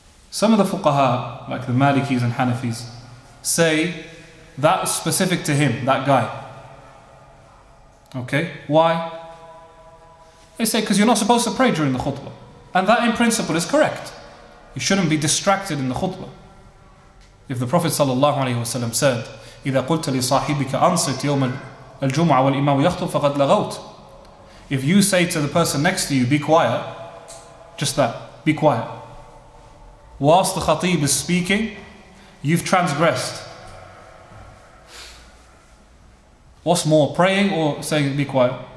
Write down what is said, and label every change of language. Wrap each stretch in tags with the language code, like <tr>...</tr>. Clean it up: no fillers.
<en>Some of the fuqaha, like the Malikis and Hanafis, say that is specific to him, that guy. Okay, why? They say, because you're not supposed to pray during the khutbah. And that in principle is correct. You shouldn't be distracted in the khutbah. If the Prophet ﷺ said,</en> <ar>إِذَا قُلْتَ لِصَاحِبِكَ أَنصِتْ يَوْمَ الْجُمْعَةِ وَالْإِمَامُ يَخْطُبُ فَقَدْ لَغَوْتْ.</ar> <en>If you say to the person next to you, be quiet, just that, be quiet. Whilst the khatib is speaking, you've transgressed. What's more, praying or saying be quiet?</en>